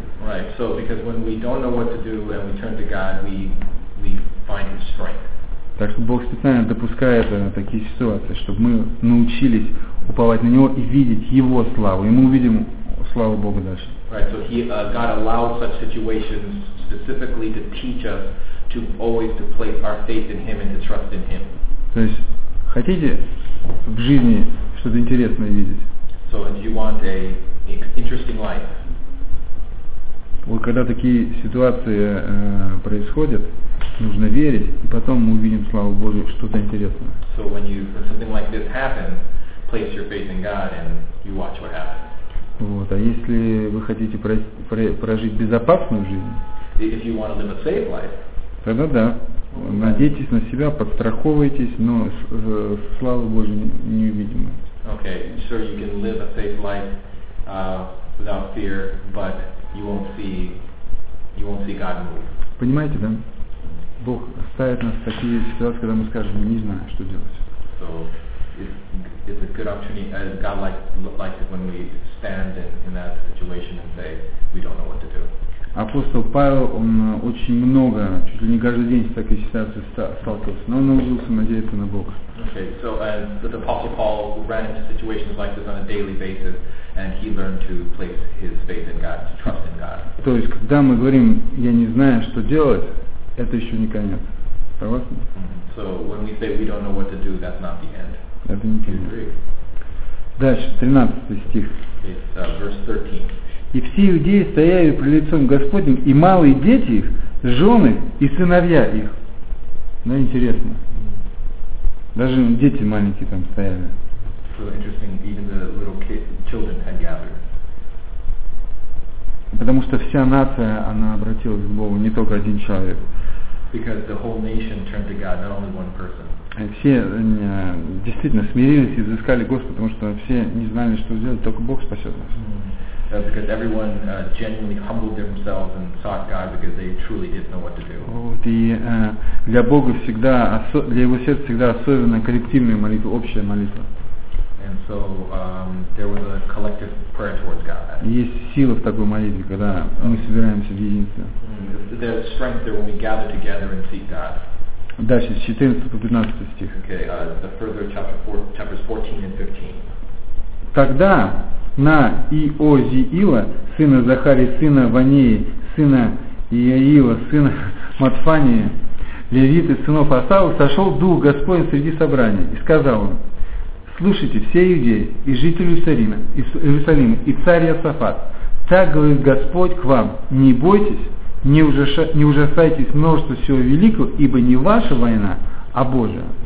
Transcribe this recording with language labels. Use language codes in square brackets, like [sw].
[en] Right. So because when we don't know what to do and we turn to God, we find His strength. [ru] Так что Бог специально допускает такие ситуации, чтобы мы научились уповать на Него и видеть Его славу. И мы увидим славу Бога дальше. [en] Right, so God allows such situations specifically to teach us to always to place our faith in Him and to trust in Him. [ru] То есть, хотите в жизни что-то интересное видеть? [en] So, do you want a interesting life? [ru] Вот когда такие ситуации происходят, нужно верить, и потом мы увидим, слава Богу, что-то интересное. [en] So when you, when something like this happens, place your faith in God and you watch what happens. [ru] Вот, а если вы хотите прожить безопасную жизнь, [en] if you want to live a safe life, [ru] тогда да, надейтесь на себя, подстраховывайтесь, но слава Богу, неувидимо. [en] Okay, sure, you can live a safe life without fear, but you won't see God move. [ru] Понимаете, да? Бог ставит нас в такие ситуации, когда мы скажем, не знаю, что делать. [en] So, it's a good opportunity, as God likes it when we stand in that situation and say, we don't know what to do. [ru] Апостол Павел, он очень много, чуть ли не каждый день с такой ситуацией сталкивался, но он научился надеяться на Бога. [en] Okay, so, and the Apostle Paul ran into situations like this on a daily basis, and he learned to place his faith in God, to trust in God. [ru] То есть, когда мы говорим, я не знаю, что делать, это еще не конец. Согласны? [en] So when we say we don't know what to do, that's not the end. [ru] Это не конец. Дальше, 13 стих. [en] It's verse 13. [ru] И все иудеи стояли при лицом Господним, и малые дети их, жены и сыновья их. Ну интересно. Даже дети маленькие там стояли. [en] So interesting, even the little children had gathered. [ru] Потому что вся нация, она обратилась к Богу, не только один человек. [en] Because the whole nation turned to God, not only one person. [ru] Все действительно смирились и взыскали Господа, потому что все не знали, что сделать, только Бог спасет нас. [en] Because everyone genuinely humbled themselves and sought God because they truly didn't know what to do. [ru] Вот, и для Бога всегда, для Его сердца всегда особенно коллективная молитва, общая молитва. [en] And so there was a collective prayer towards God. [ru] Есть сила в такой молитве, когда мы собираемся в единстве. [en] There's strength there when we gather together and seek God. [ru] Дальше, с 14 по 15 стих. [en] Okay, the further chapters 14 and 15. [ru] Тогда на Иозиила, сына Захарии, сына Ванеи, сына Иаила, сына Матфании, левиты, сынов Асавы, сошел Дух Господень среди собрания и сказал им: «Слушайте, все иудеи, и жители Иерусалима, и царь Иосафат, так говорит Господь к вам, не бойтесь, не ужасайтесь множества всего великого, ибо не ваша война, а Божия».